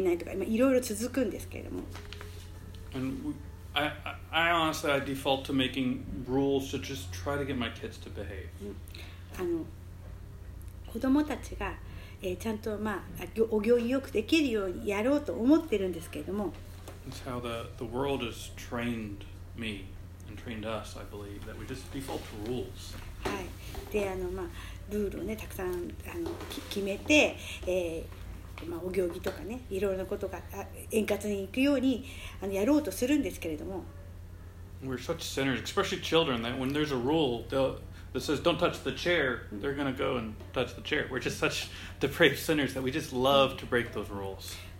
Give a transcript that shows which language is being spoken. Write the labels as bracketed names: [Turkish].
[Japanese] はい、あの、まあ、一つの、あの、ルールがあって、まあ、その後にもちゃんといろいろなんかこう、足を上げないとか、まあ、いろいろ続くんですけれども。 [English] And I honestly default to making rules to just try to get my kids to behave. [Japanese] あの、子供たちが ちゃんと、まあ、お行儀よくできるようにやろうと思ってるんですけれども [English] That's how the world has trained me and trained us, I believe, that we just default to rules. [Japanese] はい。で、あの、まあ、ルールをね、たくさん、あの、決めて、まあ、お行儀とかね、いろいろなことが円滑に行くように、あの、やろうとするんですけれども [English] We're such sinners, especially children, that when there's a rule, that says don't touch the chair, they're going to go and touch the chair. We're just such depraved sinners that we just love to break those rules.